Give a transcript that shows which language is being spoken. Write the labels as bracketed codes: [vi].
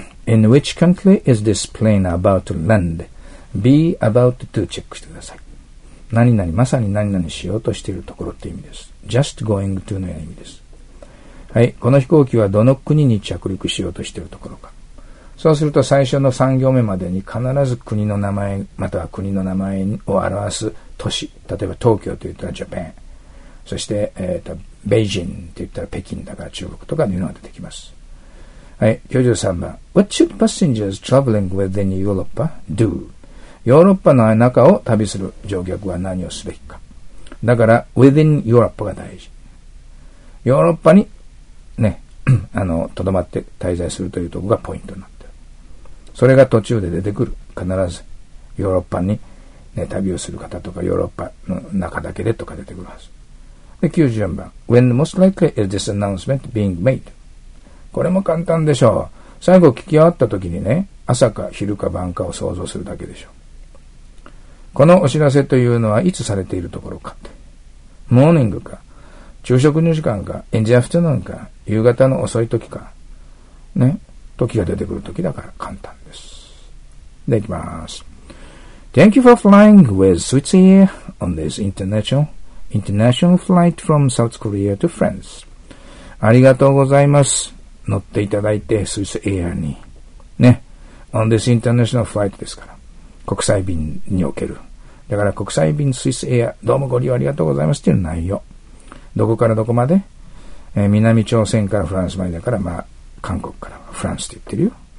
[en] In which country is this plane about to land? Be about to [ja] チェックしてください。何々、まさに何々しようとしているところって意味です。 [en] just going to [ja] の意味です。はい。この飛行機はどの国に着陸しようとしているところか。そうすると最初の3行目までに必ず国の名前、または国の名前を表す都市。例えば東京と言ったら Japan。そして、Beijing と言ったら北京だから中国とかというのが出てきます。はい。93番。 [en] What should passengers traveling within Europe do? [ja] ヨーロッパの中を旅する乗客は何をすべきか。だから、 [en] within Europe [ja] が大事。ヨーロッパに、ね、とどまって滞在するというところがポイントになっている。それが途中で出てくる。必ず、ヨーロッパに、ね、旅をする方とか、ヨーロッパの中だけでとか出てくるはず。で、94番。 [en] When most likely is this announcement being made? [ja] これも簡単でしょう。最後聞き終わった時にね、朝か昼か晩かを想像するだけでしょう。このお知らせというのはいつされているところかって。モーニングか、昼食の時間か、エンジアフトゥーンか、夕方の遅い時か、ね、時が出てくる時だから簡単です。で、行きます。 [en] Thank you for flying with Swissair on this international flight from South Korea to France. [ja] ありがとうございます。乗っていただいて、Swissair に。ね、 [en] on this international flight [ja] ですから。国際便における。だから国際便スイスエア、どうもご利用ありがとうございますっていう内容。どこからどこまで、南朝鮮からフランスまでだから、まあ、韓国からフランスって言ってるよ。